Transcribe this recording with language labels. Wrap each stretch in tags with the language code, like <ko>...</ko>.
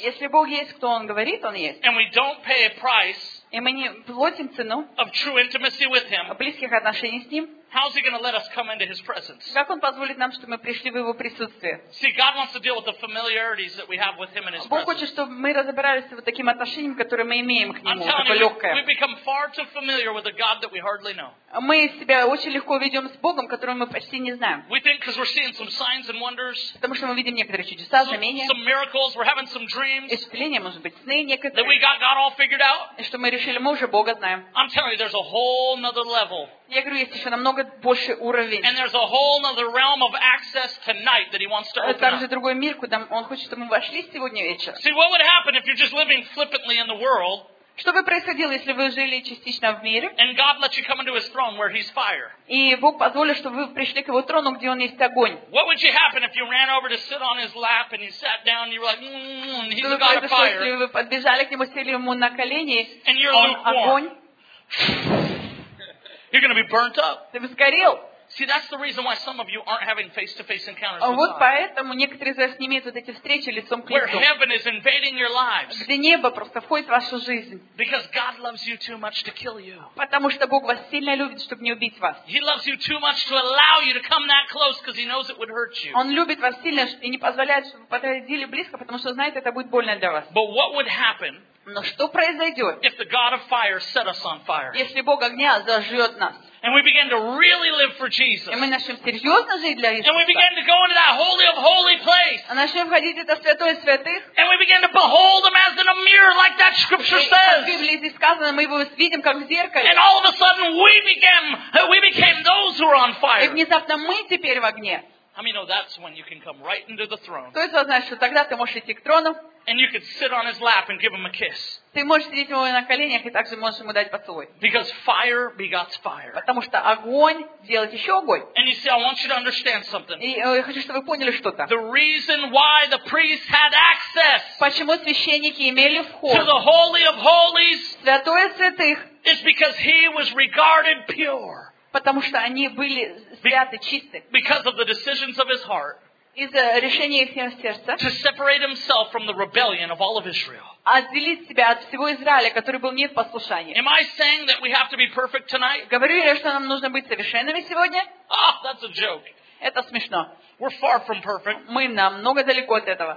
<ru>Если Бог есть, кто Он говорит, Он есть.</ru> <en>And we don't pay a price.</en> <ru>И мы не платим цену.</ru> <en>Of true intimacy with Him.</en> <ru>Близких отношений с Ним.</ru> <en>How's He going to let us come into His presence?</en> <ru>Как Он позволит нам, чтобы мы пришли в Его присутствие?</ru> <en>See, God wants to deal with the familiarities that we have with Him in His</en> <ru>Бог Бог хочет, чтобы мы разобрались с вот таким отношением, которое мы имеем к Нему, такое</ru> <en>you,</en> <ru>легкое.</ru> <en>We become far too familiar with a God that we hardly know.</en> <ru>Мы себя очень легко ведем с Богом, которого мы почти не знаем.</ru> <en>We think because we're seeing some signs and wonders.</en> <ru>Потому что мы видим некоторые чудеса, знамения.</ru> <en>Some miracles. We're having some dreams.</en> <ru>Исцеления, может быть, сны некоторые.</ru> <en>That we got God all figured out.</en> <ru>И что мы решили, мы уже Бога знаем.</ru> <en>I'm telling you, there's a whole another level.</en> <ru>Я говорю, есть еще намного больший уровень.</ru> <en>And there's a whole other realm of access tonight that He wants to open up.</en> <ru>Также другой мир, куда Он хочет, чтобы мы вошли сегодня вечером.</ru> <en>See, what would happen if you're just living flippantly in the world?</en> <ru>Что бы происходило, если вы жили частично в мире?</ru> <en>And God let you come into His throne where He's fire.</en> <ru>И Бог позволил, чтобы вы пришли к Его трону, где Он есть огонь.</ru> <en>What would you happen if you ran over to sit on His lap and you sat down and you were like, He's the God of fire.</en> <ru>Если вы подбежали к Нему, сели Ему на колени,</ru> <en>and you're</en> <ru>Он огонь.</ru> <en>You're going to be burnt up.</en> <ru>Ты бы сгорел.</ru> <en>See, that's the reason why some of you aren't having face-to-face encounters.</en> <ru>Вот поэтому некоторые из вас не имеют вот эти встречи лицом к лицу.</ru> <en>Where heaven is invading your lives.</en> <ru>Где небо просто входит в вашу жизнь.</ru> <en>Because God loves you too much to kill you.</en> <ru>Потому что Бог вас сильно любит, чтобы не убить вас.</ru> <en>He loves you too much to allow you to come that close because He knows it would hurt you.</en> <ru>Он любит вас сильно и не позволяет, чтобы вы подходили близко, потому что знает, это будет больно для вас.</ru> <en>But what would happen?</en> <ru>Но что произойдет,</ru> <en>if the God of fire set us on fire,</en> <ru>если Бог огня зажжет нас,</ru> <en>and we begin to really live for Jesus,</en> <ru>и мы начнем серьезно жить для Иисуса,</ru> <en>and we begin to go into that holy of holy place,</en> <ru>и начнем входить в это святое святых,</ru> <en>and we begin to behold Him as in a mirror, like that Scripture says,</en> <ru>в Библии здесь сказано, мы его видим как в зеркале,</ru> <en>and all of a sudden we became those who are on fire,</en> <ru>и внезапно мы теперь в огне.</ru> <en>How many know that's when you can come right into the throne?</en> <ru>Кто из вас знает, что тогда ты можешь идти к трону?</ru> <en>and you could sit on his lap and give him a kiss.</en> <ru>Ты можешь сидеть у него на коленях и также можешь ему дать поцелуй.</ru> <en>Because fire begets fire.</en> <ru>Потому что огонь делает еще огонь.</ru> <en>And you see, I want you to understand something.</en> <ru>И я хочу, чтобы вы поняли что-то.</ru> <en>The reason why the priests had access.</en> <ru>Почему священники имели вход?</ru> <en>To the holy of holies.</en> <ru>Святое святых.</ru> <en>Is because he was regarded pure.</en> <ru>Потому что они были святы, чисты.</ru> <en>Because of the decisions of his heart.</en> <ru>Из-за решения их сердца.</ru> <en>To separate himself from the rebellion of all of Israel.</en> <ru>Отделить себя от всего Израиля, который был не в послушании.</ru> <en>Am I saying that we have to be perfect tonight?</en> <ru>Говорю ли я, что нам нужно быть совершенными сегодня?</ru> <en>Oh, that's a joke.</en> <ru>Это смешно.</ru> <en>We're far from perfect.</en> <ru>Мы намного далеко от этого.</ru>